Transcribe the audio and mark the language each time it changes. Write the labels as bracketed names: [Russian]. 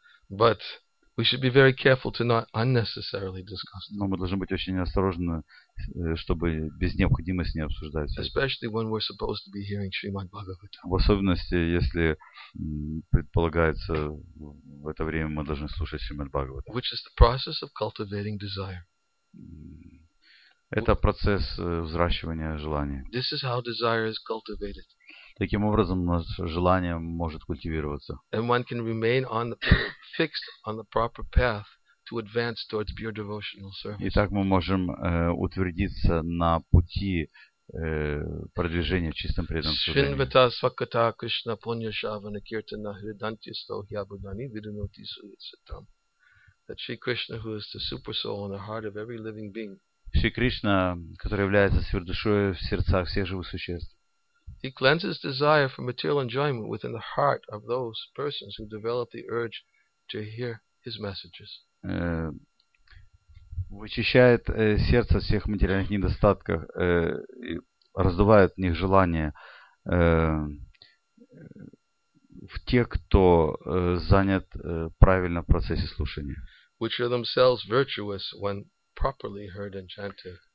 [English] But we should be very careful to not unnecessarily discuss. [Russian] Но мы должны быть очень осторожны, чтобы без необходимости не обсуждать. [English] Especially when we're supposed to be hearing Srimad Bhagavatam. [Russian] В особенности, если предполагается в это время мы должны слушать Шримад Бхагаватам. [English] Which is the process of cultivating desire. [Russian] Это процесс взращивания желания. [English] This is how desire is cultivated. [Russian] Таким образом, наше желание может культивироваться. [English] And one can remain on the fixed on the proper path to advance towards pure devotional service. [Russian] Итак, мы можем утвердиться на пути продвижения в чистом преданном служении. [English] That Sri Krishna, who is the super soul in the heart of every living being. [Russian] Шри Кришна, который является сверхдушой в сердцах всех живых существ. [English] He cleanses desire for material enjoyment within the heart of those persons who develop the urge to hear his messages. [Russian] вычищает сердце от всех материальных недостатков, раздувает в них желание в тех, кто занят правильно в процессе слушания. [English] Which are themselves virtuous when properly heard and chanted.